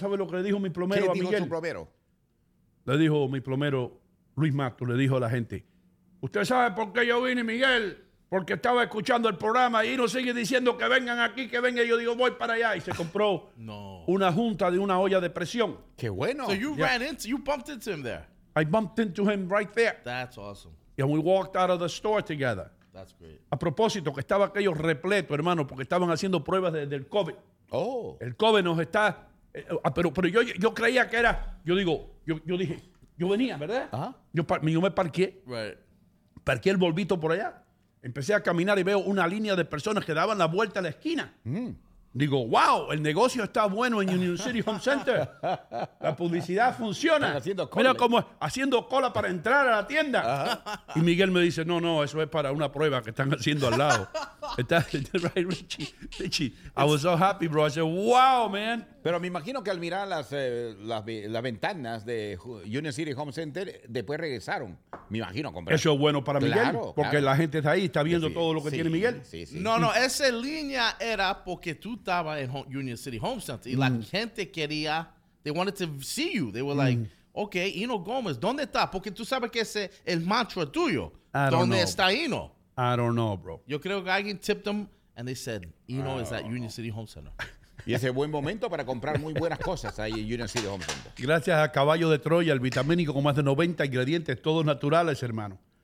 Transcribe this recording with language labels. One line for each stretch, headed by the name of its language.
Spanish: ¿Sabes lo que le dijo mi plomero a Miguel? ¿Qué dijo su plomero? Le dijo mi plomero Luis Mato, le dijo a la gente: ¿usted sabe por qué yo vine, Miguel? Porque estaba escuchando el programa y uno sigue diciendo que vengan aquí, que vengan. Yo digo, voy para allá. Y se compró una junta de una olla de presión. ¡Qué bueno!
English: So you ran into, you bumped into him there. I bumped into him right there. That's awesome. And we walked out of the store together. That's great.
Spanish: A propósito, que estaba aquello repleto, hermano, porque estaban haciendo pruebas del COVID. Oh. El COVID nos está... pero yo creía que era... Yo dije, yo venía, ¿verdad? Uh-huh. Yo me parqué. Right. Parqué el volvito por allá. Empecé a caminar y veo una línea de personas que daban la vuelta a la esquina. Mm. Digo, wow, el negocio está bueno en Union City Home Center. La publicidad funciona. Están haciendo cola. Mira cómo haciendo cola para entrar a la tienda. Uh-huh. Y Miguel me dice, no, eso es para una prueba que están haciendo al lado.
English: Está right, Richie. I was so happy, bro. I said, wow, man.
Spanish: Pero me imagino que al mirar las ventanas de Union City Home Center, después regresaron. Me imagino, comprar. Eso es bueno para Miguel, porque la gente está ahí, está viendo todo lo que tiene Miguel. Sí. No, esa línea era porque tú estabas en Union City Home Center y la gente quería,
English: they wanted to see you. They were like, okay, Hino Gómez,
Spanish: ¿dónde está? Porque tú sabes que ese es el mantra tuyo. ¿Dónde está Hino?
English: I don't know, bro.
Spanish: Yo creo que alguien
English: tipped them and they said, Hino is at Union City Home Center.
Spanish: Y ese buen momento para comprar muy buenas cosas ahí en Union City Home Center. Gracias a Caballo de Troya, el vitamínico con más de 90 ingredientes, todos naturales, hermano.